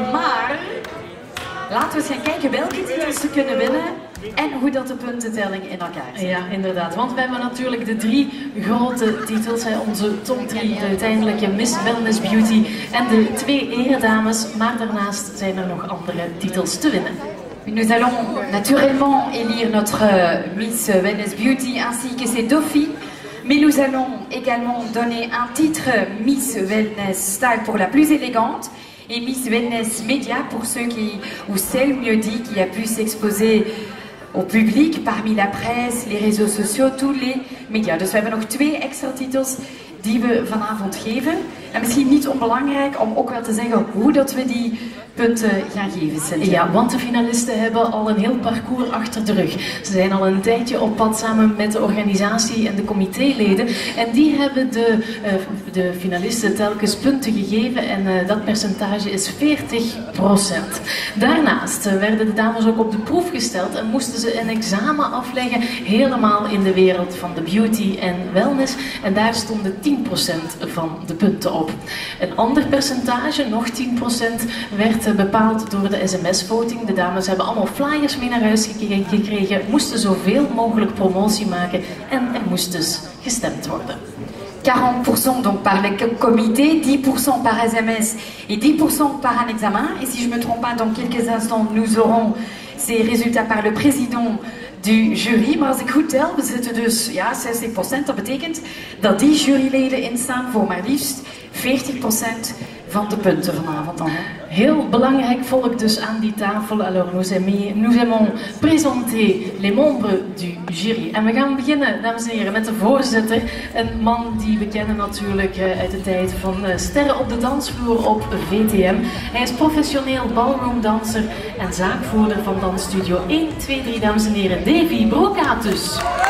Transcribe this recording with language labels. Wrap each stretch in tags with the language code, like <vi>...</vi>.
<nl>Maar laten we eens gaan kijken welke titels ze kunnen winnen en hoe dat de puntentelling in elkaar zit. Ja, inderdaad. Want we hebben natuurlijk de drie grote titels. Hè, onze top drie, de uiteindelijke Miss Wellness Beauty en de twee eredames. Maar daarnaast zijn er nog andere titels te winnen.</nl> <fr>Nous allons naturellement élire notre Miss Wellness Beauty ainsi que ses dauphines, mais nous allons également donner un titre Miss Wellness Style pour la plus élégante et Miss Wellness Media pour ceux qui, ou celle mieux dit, qui a pu s'exposer au public parmi la presse, les réseaux sociaux, tous les médias. Donc, nous avons encore deux extra titres.</fr> <nl>Die we vanavond geven. En misschien niet onbelangrijk om ook wel te zeggen hoe dat we die punten gaan geven, Cynthia. Ja, want de finalisten hebben al een heel parcours achter de rug. Ze zijn al een tijdje op pad samen met de organisatie en de comitéleden. En die hebben de finalisten telkens punten gegeven. En dat percentage is 40%. Daarnaast werden de dames ook op de proef gesteld en moesten ze een examen afleggen. Helemaal in de wereld van de beauty en wellness. En daar stonden 10% van de punten op. Een ander percentage, nog 10%, werd bepaald door de sms-voting. De dames hebben allemaal flyers mee naar huis gekregen, moesten zoveel mogelijk promotie maken en er moest dus gestemd worden.</nl> <fr>40% donc par le comité, 10% par sms et 10% par un examen. Et si je me trompe pas, dans quelques instants, nous aurons ces résultats par le président du jury,</fr> <nl>maar als ik goed tel, we zitten dus, ja, 60%, dat betekent dat die juryleden instaan voor maar liefst 40% van de punten vanavond dan. Heel belangrijk volk dus aan die tafel.</nl> <fr>Alors, nous aimons présenter les membres du jury.</fr> <nl>En we gaan beginnen, dames en heren, met de voorzitter. Een man die we kennen natuurlijk uit de tijd van Sterren op de Dansvloer op VTM. Hij is professioneel ballroomdanser en zaakvoerder van Dansstudio 1, 2, 3, dames en heren, Davy Brokatus.</nl>